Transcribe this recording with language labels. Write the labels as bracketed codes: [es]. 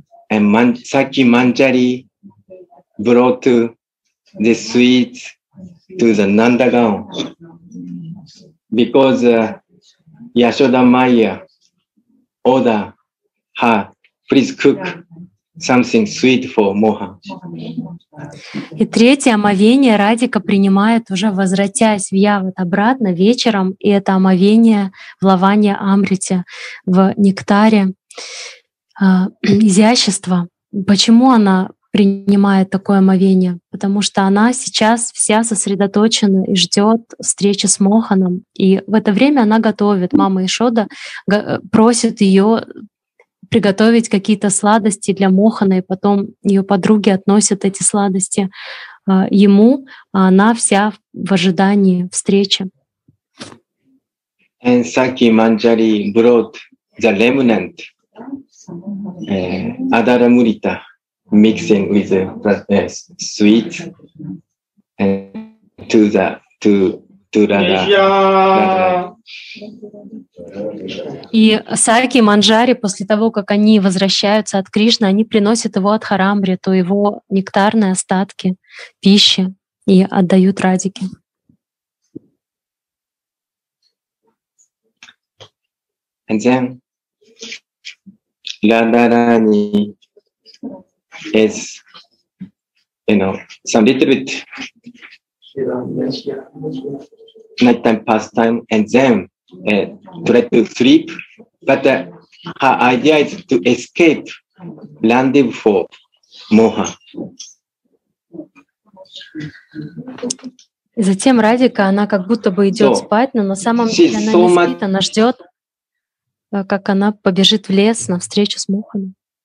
[en] And Saki Manjari brought the sweets to the Nandagaon because Yashoda Maya ordered her, please cook something sweet for Mohan. [ru] И третье омовение Радика принимает уже возвратясь в Явад обратно вечером, и это омовение в Лаванья Амрите, в нектаре. Изящество. Почему она принимает такое омовение? Потому что она сейчас вся сосредоточена и ждет встречи с Моханом. И в это время она готовит. Мама Ишода просит ее приготовить какие-то сладости для Мохана, и потом ее подруги относят эти сладости ему, а она вся в ожидании встречи. [en] And Saki Manjari brought the remnant. Adara Murita mixing with the sweet and to the to Radha. [ru] И Саки Манджари после того, как они возвращаются от Кришны, они приносят его от Харамри, то его нектарные остатки пищи и отдают Радике. [en] And then Radharani is, you know, some little bit nighttime pastime, and then try to sleep. But her idea is to escape rendezvous for Mohan. [ru] Затем Радика, она как будто бы идет спать, но на самом деле она не спит, она ждет. Как она побежит в лес на встречу с Моханом.